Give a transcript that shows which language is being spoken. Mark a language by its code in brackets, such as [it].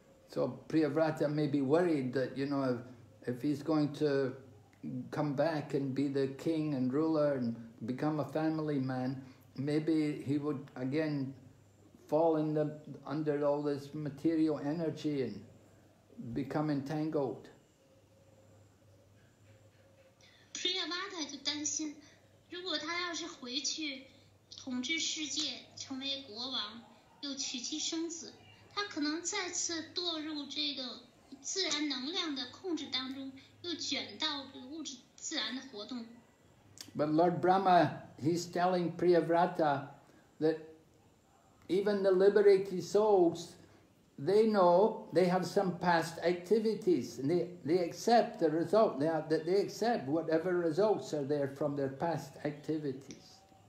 [en] So Priyavrata may be worried that, you know, if he's going to... come back and be the king and ruler and become a family man, maybe he would again fall under all this material energy and become entangled. [zh] Priyavrata 就担心，如果他要是回去统治世界，成为国王，又娶妻生子，他可能再次堕入这个自然能量的控制当中。 [en] But Lord Brahma, he's telling Priyavrata that even the liberated souls, they know they have some past activities, and they accept the result, they accept whatever results are there from their past activities.